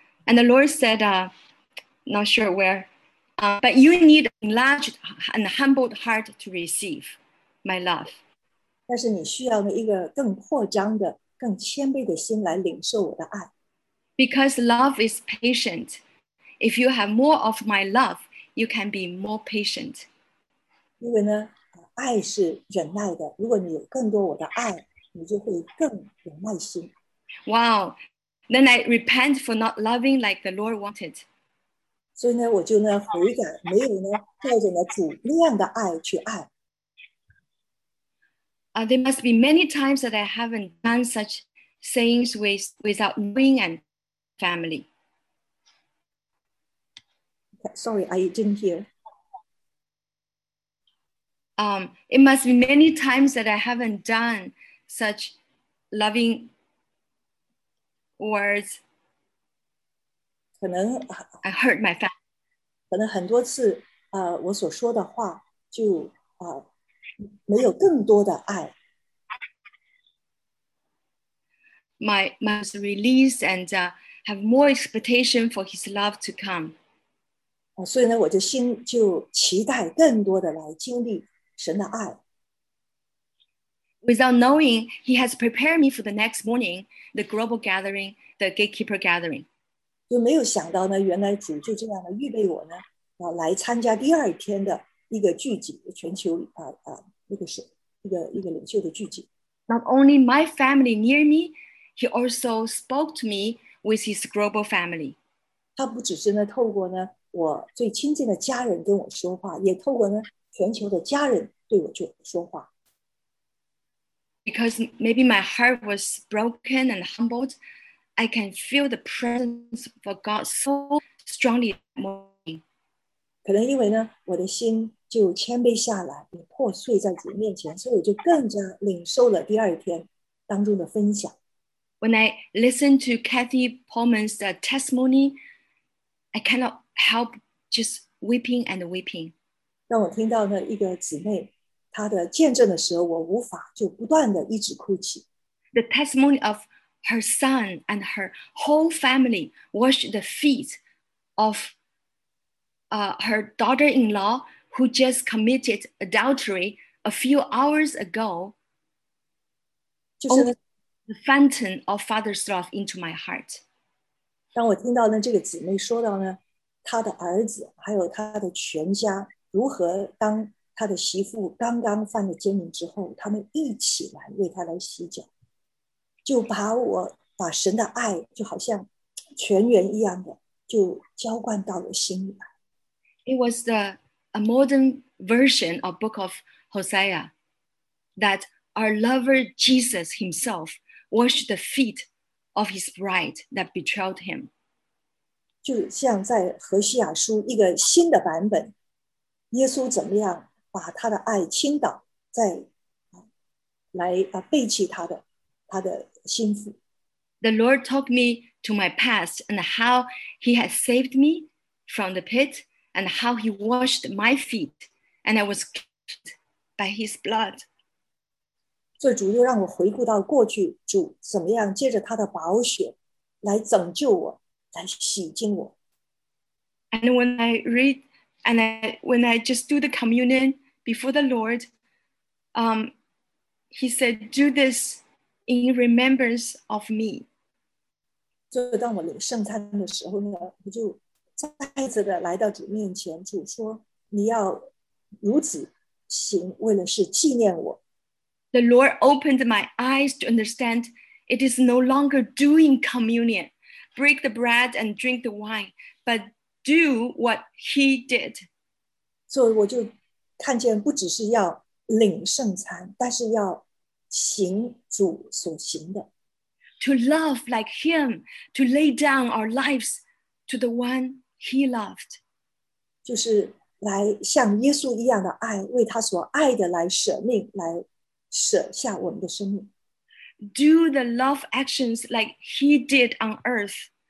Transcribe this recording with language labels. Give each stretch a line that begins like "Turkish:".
English: And the Lord said, not sure where, but you need an enlarged and humbled heart to receive my love.
Chinese: 但是你需要一个更扩张的更谦卑的心来领受我的爱。
English: Because love is patient. If you have more of my love, you can be more patient.
Chinese: 因为呢，爱是忍耐的。如果你有更多我的爱，你就会更有耐心。
English: Wow, then I repent for not loving like the Lord wanted.
Chinese: 所以呢，我就呢悔改，没有呢照着呢主那样的爱去爱。
English: There must be many times that I haven't done such things without knowing and family. Sorry, I didn't hear. It must be many times that I haven't done such loving words.
Chinese: 可能
English: I hurt my family.
Chinese: 可能很多次，我所说的话就没有更多的爱。
English: my release and have more expectation for his love to come.
Chinese: 所以呢，我的心就期待更多的来经历神的爱。
English: Without knowing, he has prepared me for the next morning, the global gathering, the gatekeeper gathering.
Chinese: 就没有想到呢，原来主就这样的预备我呢，啊，来参加第二天的一个聚集，全球一个领袖的聚集。
English: Not only my family near me, he also spoke to me with his global family.
Chinese: 他不只是呢透过呢我最亲近的家人跟我说话，也透过呢全球的家人对我就说话。
English: Because maybe my heart was broken and humbled, I can feel the presence of God so strongly.
Chinese: 可能因为呢，我的心就谦卑下来，也破碎在主面前，所以我就更加领受了第二天当中的分享。
English: When I listened to Kathy Pullman's testimony, I cannot help just weeping and weeping.
Chinese: 当我听到呢一个姊妹她的见证的时候，我无法就不断的一直哭泣。
English: The testimony of her son and her whole family washed the feet of her daughter-in-law who just committed adultery a few hours ago.
Chinese: 就是呢
English: the fountain of father's love into my heart.
Chinese: 当我听到呢这个姊妹说到呢她的儿子还有她的全家如何当他的媳妇刚刚犯了奸淫之后，他们一起来为他来洗脚，就把我把神的爱就好像泉源一样的就浇灌到了心里来。
English: It was a modern version of Book of Hosea that our lover Jesus himself washed the feet of his bride that betrayed him.
Chinese: 就像在何西亚书一个新的版本，耶稣怎么样？把他的爱倾倒在来背弃他的心腹。
English: The Lord took me to my past and how he had saved me from the pit and how he washed my feet and I was cleansed by his blood.
Chinese: 所以主又让我回顾到过去，主怎么样借着他的宝血来拯救我，来洗净我。
English: And when I just do the communion before the Lord, he said, do this in remembrance of me.
Chinese: 就当我领圣餐的时候呢，我就再次的来到主面前，主说，你要如此行，为了是纪念我。
English: The Lord opened my eyes to understand it is no longer doing communion, break the bread and drink the wine, but do what he did.
Chinese: 所以我就看见不只是要领圣餐，但是要行主所行的。
English: To love like him, to lay down our lives to the one he loved.
Chinese: 就是来像耶稣一样的爱，为他所爱的来舍命，来舍下我们的生命。
English: Do the love actions like he did on earth.